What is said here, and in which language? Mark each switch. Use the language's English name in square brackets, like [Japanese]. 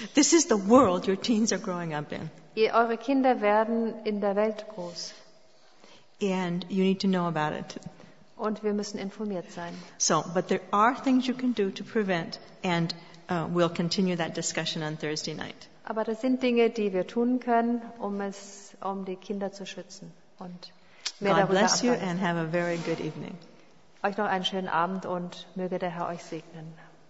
[English] This is the world your teens are growing up in. [German] Eure Kinder werden in der Welt groß. [English] And you need to know about it. [German] Und wir müssen informiert sein. [English] So, but there are things you can do to prevent, and we'll continue that discussion on Thursday night. [German] Aber das sind Dinge, die wir tun können, um die Kinder zu schützen. Und mehr [English] God bless you and have a very good evening. [German] Euch noch einen schönen Abend und möge der Herr euch segnen.